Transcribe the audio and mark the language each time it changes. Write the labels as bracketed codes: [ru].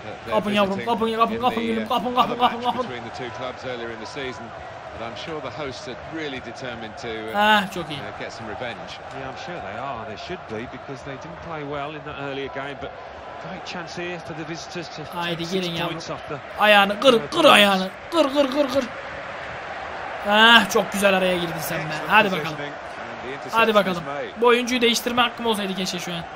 [tr] Kapın yavrum, kapın, kapın, kapın, kapın, kapın, kapın, kapın, kapın. [en] But I'm sure the hosts are really determined to get some revenge. Yeah, I'm sure they are. They should be because they didn't play well in that earlier game. But great chance here for the visitors to [tr] haydi [en] take 6 points off the. [tr] Ayağını kır, kır ayağını, kır, kır, kır, kır. Ah, çok güzel araya girdin sen be. Hadi bakalım. Hadi bakalım. Bu oyuncuyu değiştirme hakkım olsaydı keşke şu an.